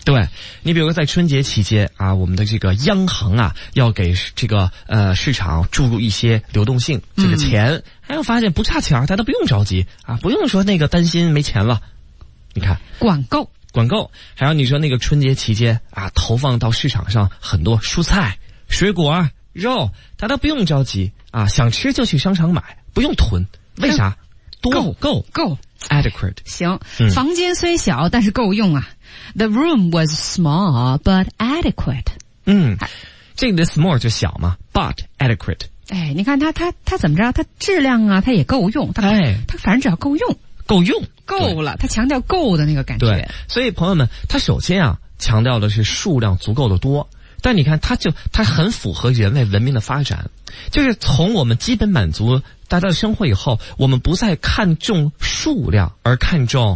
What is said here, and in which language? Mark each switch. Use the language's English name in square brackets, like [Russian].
[Chinese] 对，你比如说在春节期间啊，我们的这个央行啊，要给这个市场注入一些流动性，这个钱，哎，我发现不差钱，大家都不用着急啊，不用说那个担心没钱了，你看，管够，还有你说那个春节期间啊，投放到市场上很多蔬菜。水果肉大家不用着急啊，想吃就去商场买，不用囤，为啥？多，够 [English] adequate。 [Chinese] 行，房间虽小但是够用啊。 [English] The room was small but adequate。 [Chinese] 这里的 small 就小嘛， [English] but adequate。 [Chinese] 哎，你看它怎么着，它质量啊它也够用，它哎，它反正只要够用够了，它强调够的那个感觉。对，所以朋友们，它首先啊强调的是数量足够的多，但你看它很符合人类文明的发展，就是从我们基本满足大家的生活以后，我们不再看重数量而看重